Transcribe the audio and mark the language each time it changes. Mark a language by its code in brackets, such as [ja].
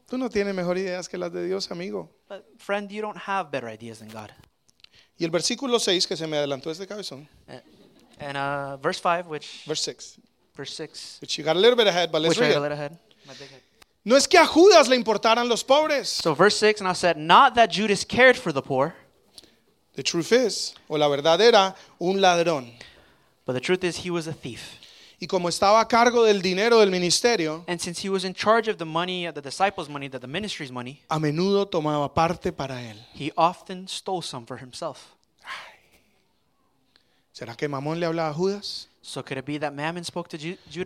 [es] Tú no tienes mejor ideas que las de Dios, amigo. [en] But friend, you don't have better ideas than God. [es] Y el versículo 6 que se me adelantó este cabezón. [en] And verse 5, which... Verse 6. Which you got a little bit ahead, but let's which read I got a little ahead. My big head. [es] No es que a Judas le importaran los pobres. [en] So verse 6, and I said, not that Judas cared for the poor. The truth is, [es] o la verdad era, un ladrón. [en] But the truth is, he was a thief. [es] Y como estaba a cargo del dinero del ministerio, [en] and since he was in charge of the money, the disciples' money, the ministry's money, [es] a menudo tomaba parte para él. [en] He often stole some for himself. [es] Ay. ¿Será que Mamón le hablaba a Judas? [en] So could it be that Mammon spoke to Judas?